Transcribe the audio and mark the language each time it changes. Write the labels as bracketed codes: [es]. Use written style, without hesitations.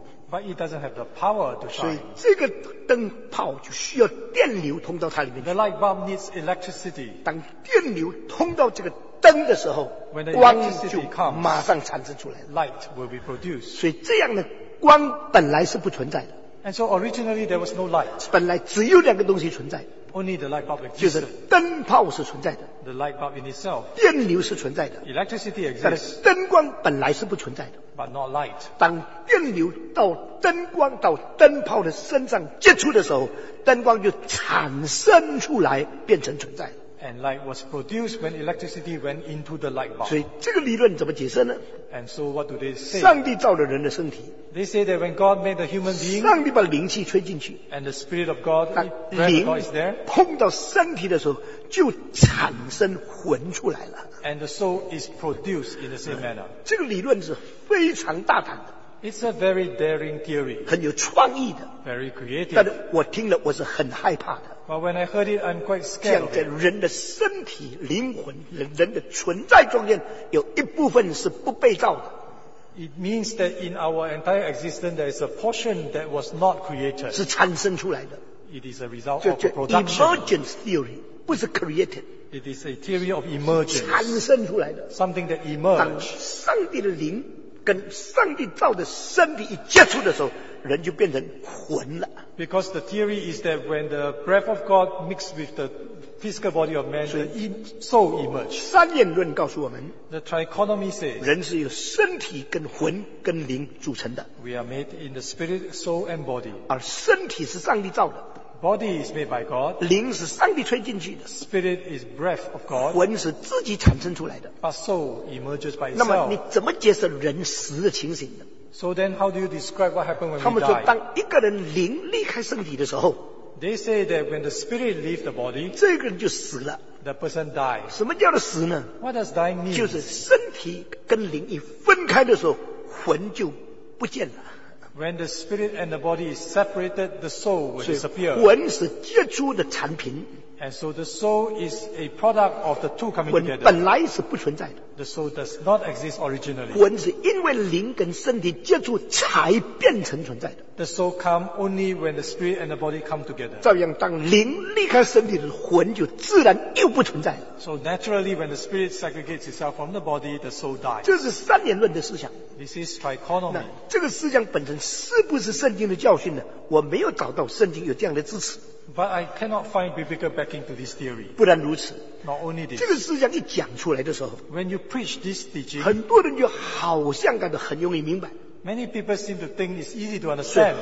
[en] But it doesn't have the power to shine. [zh] 所以这个灯泡就需要电流通到它里面去。 [en] The light bulb needs electricity. [zh] 当电流通到这个灯的时候 [en] when the [zh] 光就马上产生出来了 [en] light will be produced. [zh] 所以这样的光本来是不存在的 [en] and so originally there was no light. [zh] 本来只有两个东西存在 [en] only the light bulb existed. [zh] 就是灯泡是存在的 [en] the light bulb in itself. [zh] 电流是存在的 [en] electricity exists. [zh] 但是灯光本来是不存在的 [en] but not light. [zh] 当电流到灯光到灯泡的身上接触的时候灯光就产生出来变成存在 [en] And light was produced when electricity went into the light bulb. [zh] 所以这个理论怎么解释呢 [en] ？And so what do they say? [zh] 上帝造了人的身体。 [en] They say that when God made the human being, [zh] 上帝把灵气吹进去。 [en] And the spirit of God, [zh] 当灵碰到身体的时候，就产生魂出来了。 [en] And the soul is produced in the same manner. [zh] 这个理论是非常大胆的。 [en] It's a very daring theory. [zh] 很有创意的。 [en] Very creative. [zh] 但是我听了我是很害怕的。 [en] But when I heard it, I'm quite scared. [zh] 这样在人的身体、灵魂、人的存在中间，有一部分是不被造的。 [en] It means that in our entire existence, there is a portion that was not created. [zh] 是产生出来的。 [en] It is a result of a production. [zh] 就 [en] emergence theory, [zh] 不是 created. [en] It is a theory of emergence. [zh] 产生出来的。 [en] Something that emerged. [zh] 当上帝的灵跟上帝造的身体一接触的时候，人就变成魂了。 [en] Because the theory is that when the breath of God mixed with the physical body of man, the soul emerged. [zh] 三元论告诉我们 [en] ，The trichotomy says, [zh] 人是由身体跟魂跟灵组成的。 [en] We are made in the spirit, soul, and body. [zh] 而身体是上帝造的。 [en] Body is made by God. [zh] 灵是上帝吹进去的。 [en] Spirit is breath of God. [zh] 魂是自己产生出来的。 [en] But soul emerges by itself. [zh] 那么你怎么解释人死的情形呢？ [en] So then, how do you describe what happened when we die? [zh] 他们说，当一个人灵离开身体的时候 [en] ，They say that when the spirit leaves the body, [zh] 这个人就死了。 [en] The person dies. [zh] 什么叫做死呢 [en] ？What does dying mean? [zh] 就是身体跟灵一分开的时候，魂就不见了。 [en] When the spirit and the body is separated, the soul will disappear. [zh] 魂是接触的产品。 [en] And so the soul is a product of the two coming together. [zh] 魂本来是不存在的。 [en] The soul does not exist originally. [zh] 魂是因为灵跟身体接触才变成存在的。 [en] The soul come only when the spirit and the body come together. [zh] 照样，当灵离开身体的魂就自然又不存在。 [en] So naturally, when the spirit segregates itself from the body, the soul dies. [zh] 这是三元论的思想。 [en] This is trichotomy. [zh] 那这个思想本身是不是圣经的教训呢？我没有找到圣经有这样的支持。 [en] But I cannot find biblical backing to this theory. [zh] 不然如此。 [en] Not only this. [zh] 这个思想一讲出来的时候 [en] ，When you preach this teaching, [zh] 很多人就好像感到很容易明白。 [en] Many people seem to think it's easy to understand.